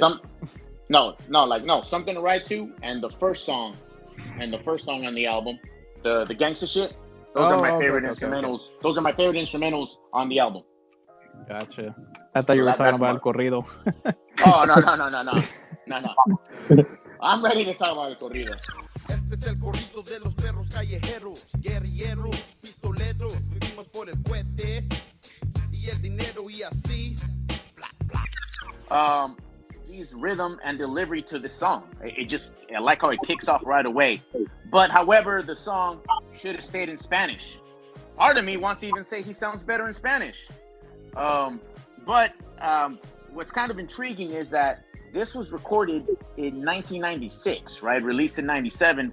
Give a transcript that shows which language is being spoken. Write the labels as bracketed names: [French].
[English] Something to Ride To, and the first song on the album, the gangsta shit. Those are my favorite instrumentals. Okay. Those are my favorite instrumentals on the album. Gotcha. I thought you were talking about El Corrido. Oh, no. I'm ready to talk about El Corrido. [Spanish] Este es el corrido de los perros callejeros, guerrilleros, pistoleros, vivimos por el puente y el dinero y así. [English] His rhythm and delivery to the song. It just, I like how it kicks off right away. But however, the song should have stayed in Spanish. Part of me wants to even say he sounds better in Spanish. But what's kind of intriguing is that this was recorded in 1996, right? Released in 97.